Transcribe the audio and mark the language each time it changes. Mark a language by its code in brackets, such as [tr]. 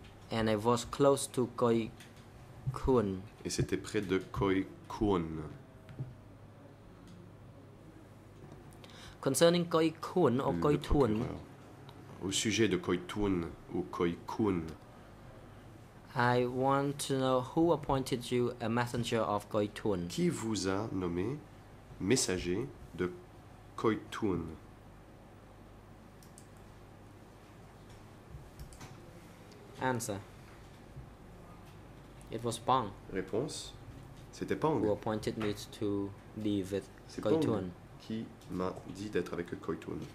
[en] And I was close to Khoi Khuon. [fr] Et c'était près de Khoi Khuon. [en] Concerning Khoi Khuon ou Khoi Thuon. [fr] Au sujet de Khoi Thuon ou Khoi Khuon. [en] I want to know who appointed you a messenger of Khoi Thuon. [fr] Qui vous a nommé messager de Khoi Thuon? [en] Answer. It was Pang. [fr] Réponse. C'était Pang. [en] Who appointed me to be with Khoi Thuon. [fr] C'est Pang qui m'a dit d'être avec Khoi Thuon.